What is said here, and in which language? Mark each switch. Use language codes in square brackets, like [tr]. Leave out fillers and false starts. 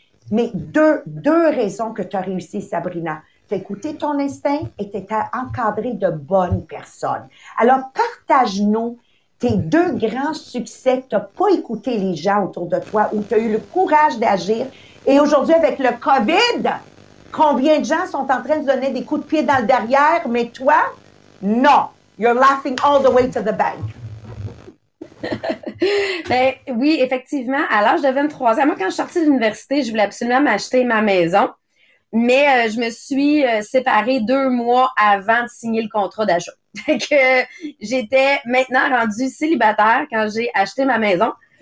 [fr] Mais deux raisons que tu as réussi, Sabrina. Tu as écouté ton instinct et tu étais encadrée de bonnes personnes. Alors, partage-nous tes deux grands succès, tu n'as pas écouté les gens autour de toi ou tu as eu le courage d'agir. Et aujourd'hui, avec le COVID, combien de gens sont en train de donner des coups de pied dans le derrière, mais toi, non. [en] You're laughing all the way to the bank. [fr] Ben, oui, effectivement, à l'âge de 23 ans, moi, quand je suis sortie de l'université, je voulais absolument m'acheter ma maison. Mais je me suis séparée 2 mois avant de signer le contrat d'achat. Fait que j'étais maintenant rendue célibataire quand j'ai acheté ma maison.